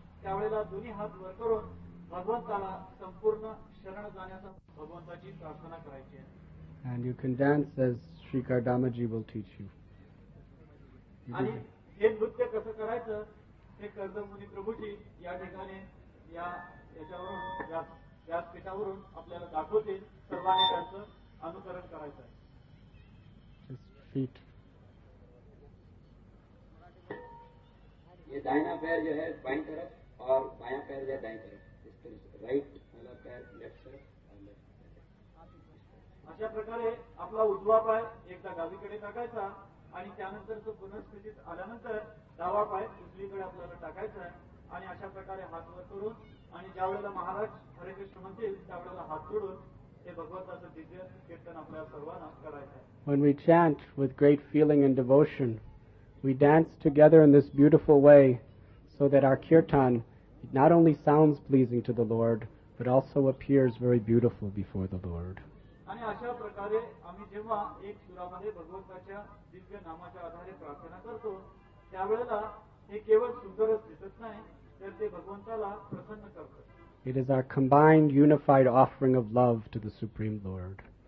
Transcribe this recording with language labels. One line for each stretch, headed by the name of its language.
Marathi: त्यावेळेला दोन्ही हात वर करून भगवंताला संपूर्ण शरण जाण्याचा भगवंताची प्रार्थना करायची आहे.
English: And you can dance as Sri Kardamaji will teach you. Just feet.
Hindi: ये दाहिना पैर जो है बाई तरफ और बाया पैर जो है दाई तरफ, इस तरह राइट वाला पैर लेफ्ट तरफ.
Marathi: अशा प्रकारे आपला उजवा पाय एकदा डावीकडे टाकायचा आणि त्यानंतर तो पुनर्स्थितीत आल्यानंतर डावा पाय उजवीकडे आपल्याला टाकायचा आणि अशा प्रकारे हात वर करून आणि ज्यावेळेला महाराज हरे कृष्ण म्हणतील त्यावेळेला हात जोडून हे भगवंताचं दिव्य कीर्तन आपल्या सर्वांना करायचं.
English: When we chant with great feeling and devotion, we dance together in this beautiful way so that our kirtan not only sounds pleasing to the Lord but also appears very beautiful before the Lord.
Marathi: आणि अशा प्रकारे आम्ही जेव्हा एक सुरामध्ये भगवंताच्या दिव्य नामाच्या आधारे प्रार्थना करतो त्यावेळेला हे केवळ सुंदरच दिसत नाही तर ते भगवंताला प्रसन्न करतो.
English: It is our combined unified offering of love to the supreme lord.